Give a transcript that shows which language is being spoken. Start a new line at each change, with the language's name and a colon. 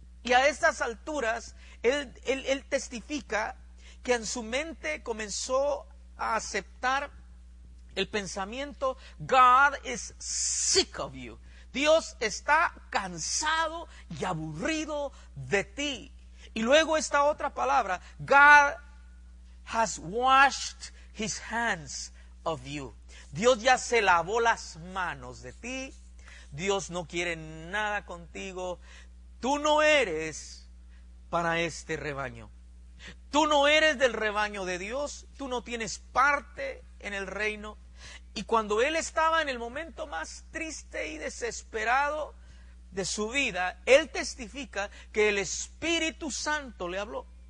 Spanish: Y a estas alturas él testifica que en su mente comenzó a aceptar el pensamiento:
English: God is sick of you.
Spanish: Dios está cansado y aburrido de ti. Y luego esta otra palabra:
English: God has washed his hands of you.
Spanish: Dios ya se lavó las manos de ti. Dios no quiere nada contigo. Tú no eres para este rebaño. Tú no eres del rebaño de Dios. Tú no tienes parte en el reino. Y cuando él estaba en el momento más triste y desesperado de su vida, él testifica que el Espíritu Santo le habló.